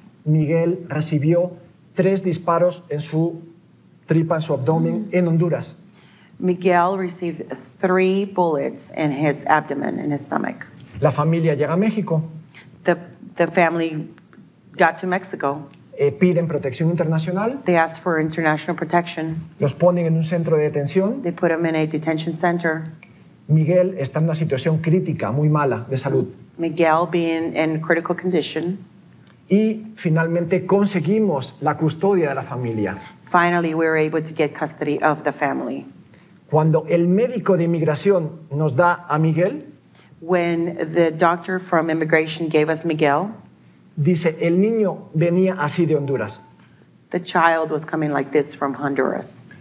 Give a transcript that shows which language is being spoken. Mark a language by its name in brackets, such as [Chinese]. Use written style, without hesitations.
[Spanish] Miguel recibió 3 disparos en su tripa, en su abdomen, en Honduras. [English] Miguel received 3 bullets in his abdomen, in his stomach. [Spanish] La familia llega a México. [English] The family got to Mexico. [Spanish] Piden protección internacional. [English] They ask for international protection. [Spanish] Los ponen en un centro de detención. [English] They put them in a detention center. [Spanish] Miguel está en una situación crítica, muy mala, de salud. [English] Miguel being in critical condition. [Spanish] Y finalmente conseguimos la custodia de la familia. [English] Finally, we were able to get custody of the family. [Spanish] Cuando el médico de inmigración nos da a Miguel, [English] when the doctor from immigration gave us Miguel, [Spanish] dice, el niño venía así de Honduras. [English] The child was coming like this from Honduras.